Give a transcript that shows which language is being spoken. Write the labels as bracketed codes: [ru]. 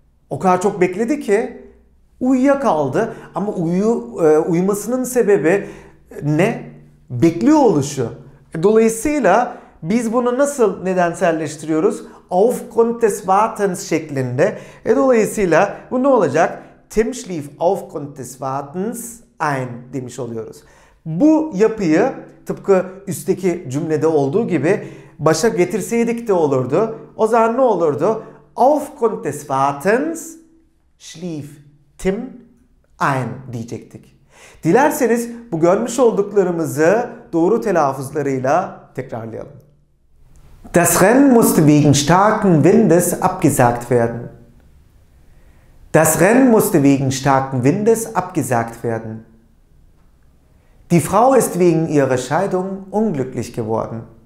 [tr] O kadar çok bekledi ki uyuyakaldı. Ama uyumasının sebebi ne? Bekliyor oluşu. Dolayısıyla biz bunu nasıl nedenselleştiriyoruz? [de] Aufgrund des Wartens [tr] şeklinde. Dolayısıyla bu ne olacak? [de] Tim schlief aufgrund des Wartens ein [tr] demiş oluyoruz. Bu yapıyı tıpkı üstteki cümlede olduğu gibi başa getirseydik de olurdu. O zaman ne olurdu? [de] Aufgrund des Wartens schlief Tim ein [tr] diyecektik. Dilerseniz bu görmüş olduklarımızı doğru telaffuzlarıyla tekrarlayalım. [de] Das Rennen musste wegen starken Windes abgesagt werden. Das Rennen musste wegen starken Windes abgesagt werden. Die Frau ist wegen ihrer Scheidung unglücklich geworden.